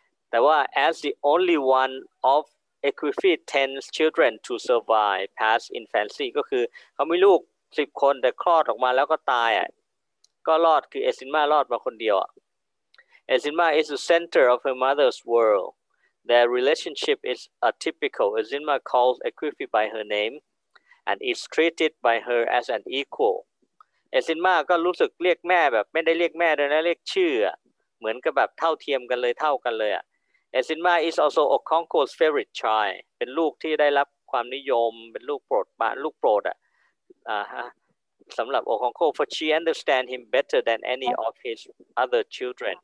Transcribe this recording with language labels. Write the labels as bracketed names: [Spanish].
[Thai] แต่ว่า [English] as the only one of Ekwefi's 10 children to survive past infancy. [Thai] ก็คือเขามีลูก10คนแต่คลอดออกมาแล้วก็ตายอ่ะก็รอดคือเอซินมารอดมาคนเดียวอ่ะ [English] Ezima is the center of her mother's world. Their relationship is atypical. Ezima calls Ekwefi by her name. And is treated by her as an equal. [Thai] Ezima ก็รู้สึกเรียกแม่แบบไม่ได้เรียกแม่เลยนะเรียกชื่อเหมือนกับแบบเท่าเทียมกันเลยเท่ากันเลยอ่ะ [English] Ezima is also Okonkwo's favorite child. [Thai] เป็นลูกที่ได้รับความนิยมเป็นลูกโปรดบ้านลูกโปรดอ่ะสำหรับ Okonkwo [English] for she understand him better than any of his other children.